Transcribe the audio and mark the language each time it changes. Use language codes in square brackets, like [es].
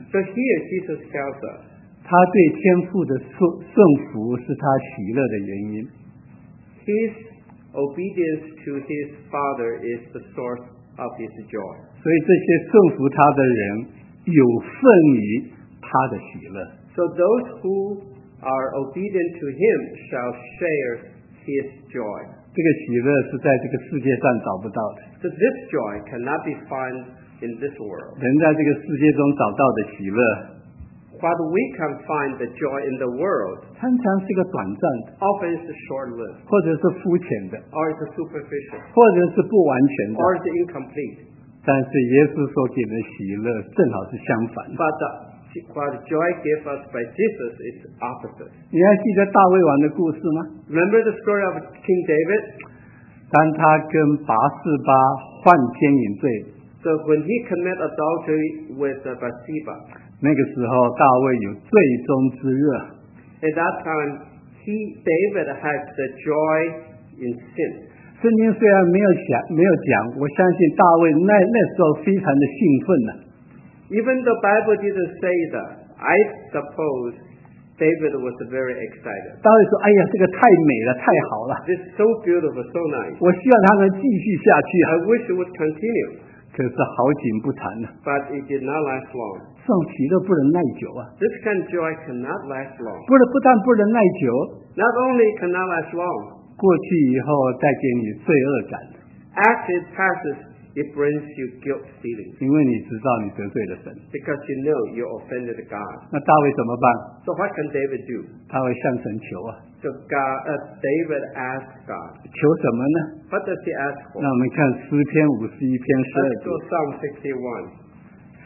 [en] So here Jesus tells us. [zh] 他对天父的顺服是他喜乐的原因。 [en] His obedience to his father is the source of his joy. [zh] 所以这些顺服他的人有份于他的喜乐。 [en] So those who are obedient to him shall share his joy. [zh] 这个喜乐是在这个世界上找不到的。 [en] So this joy cannot be found in this world. [zh] 人在这个世界中找到的喜乐。 [en] But we can find the joy in the world. [zh] 常常是一个短暂的 [en] often is short-lived. [zh] 或者是肤浅的 [en] or is superficial. [zh] 或者是不完全的 [en] or is incomplete. [zh] 但是耶稣所给的喜乐正好是相反的 [en] But what joy gave us by Jesus is opposite. [zh] 你还记得大卫王的故事吗？ [en] Remember the story of King David? [zh] 当他跟拔示巴犯奸淫罪 [en] So when he committed adultery with Bathsheba, [zh] 那个时候大卫有最终之热。 [en] At that time, David had the joy in sin. [zh] 圣经虽然没有讲，我相信大卫那时候非常的兴奋呢。 [en] Even the Bible didn't say that, I suppose David was very excited. [zh] 大卫说，哎呀，这个太美了，太好了。 [en] This is so beautiful, so nice. [zh] 我希望他能继续下去。 [en] I wish it would continue. [zh] 可是好景不长呢。 [en] But it did not last long. [zh] 上喜乐不能耐久啊。 [en] This kind of joy cannot last long. [zh] 不但不能耐久。 [en] Not only cannot last long. [zh] 过去以后带给你罪恶感。 [en] as it passes, it brings you guilt feelings. [zh] 因为你知道你得罪了神. [en] Because you know you offended God. [zh] 那大卫怎么办? [en] So what can David do? [zh] 他会向神求啊. [en] So God, David asked God. [zh] 求什么呢? [en] What does he ask for? [zh] 那我们看诗篇51篇12节. [en] Let's go Psalm 61.